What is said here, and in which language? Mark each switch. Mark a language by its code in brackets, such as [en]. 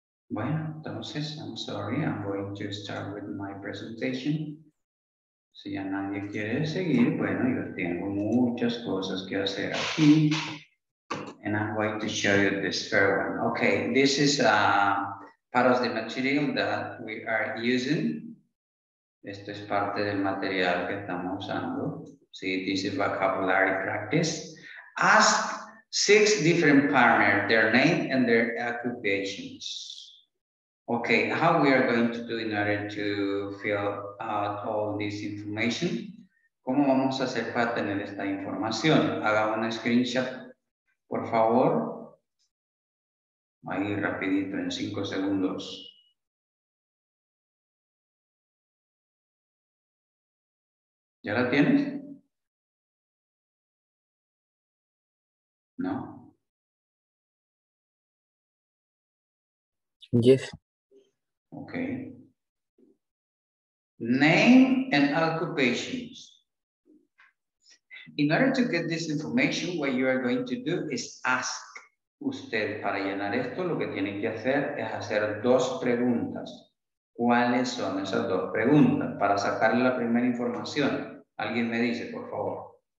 [es] Bueno, entonces, [en] I'm sorry, I'm going to start with my presentation. [es] Si ya nadie quiere seguir, bueno, yo tengo muchas cosas que hacer aquí. [en] And I'm going to show you this first one. Okay, this is part of the material that we are using. [es] Esto es parte del material que estamos usando. [en] See, this is vocabulary practice. Ask 6 different partners, their name and their occupations. Okay, how we are going to do in order to fill out all this information? [es] ¿Cómo vamos a hacer para tener esta información? Haga un screenshot, por favor. Ahí rapidito, en 5 segundos. ¿Ya la tienes? No. [en] Yes. Okay. Name and occupations. In order to get this information, what you are going to do is ask usted. [es] Para llenar esto, lo que tiene que hacer es hacer 2 preguntas. ¿Cuáles son esas 2 preguntas? Para sacar la primera información, alguien me dice, por favor.